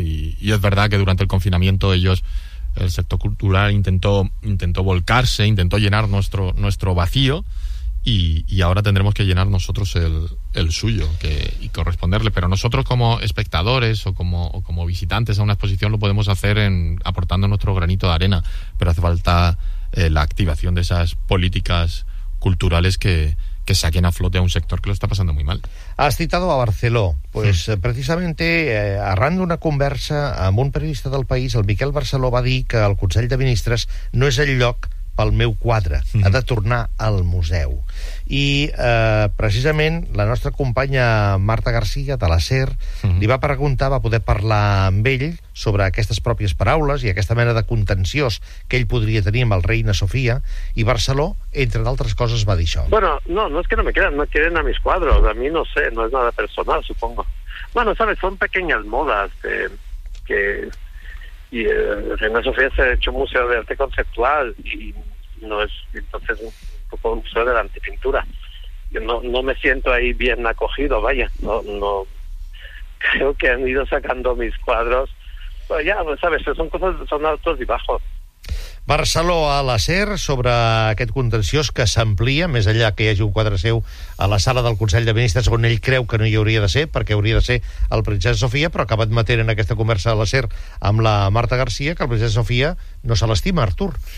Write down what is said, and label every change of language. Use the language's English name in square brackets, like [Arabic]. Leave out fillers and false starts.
[Spanish] Y es verdad que durante el confinamiento el sector cultural intentó volcarse, intentó llenar nuestro vacío, y ahora tendremos que llenar nosotros el suyo y corresponderle. Pero nosotros, como espectadores o como visitantes a una exposición, lo podemos hacer aportando nuestro granito de arena, pero hace falta la activación de esas políticas culturales que saquen a flote a un sector que lo está pasando muy mal. Has citado a Barceló. Pues sí. [Catalan] Precisamente, arran d'una conversa amb un periodista del País, el Miquel Barceló va dir que el Consell de Ministres no és el lloc pel meu quadre. Ha de tornar al museu. I, precisament, la nostra companya Marta García, de la SER, li va preguntar, va poder parlar amb ell sobre aquestes pròpies paraules i aquesta mena de contenciós que ell podria tenir amb el Reina Sofia, i Barceló, entre d'altres coses, va dir això. [Spanish] Bueno, no es que no me quieren a mis cuadros. A mí no sé, no es nada personal, supongo. Bueno, sabes, son pequeñas modas que... y Reina Sofía se ha hecho un museo de arte conceptual y no es entonces un poco un museo de la antipintura. Yo no me siento ahí bien acogido, vaya, no creo que han ido sacando mis cuadros, pero ya, pues, sabes, son cosas, son altos y bajos. [Catalan] Barceló a l'acer sobre aquest contenciós que s'amplia, més enllà que hi hagi un quadre seu a la sala del Consell de Ministres, on ell creu que no hi hauria de ser, perquè hauria de ser el Princesa Sofia, però acaba admetent en aquesta conversa a l'acer amb la Marta García que el Princesa Sofia no se l'estima, Artur.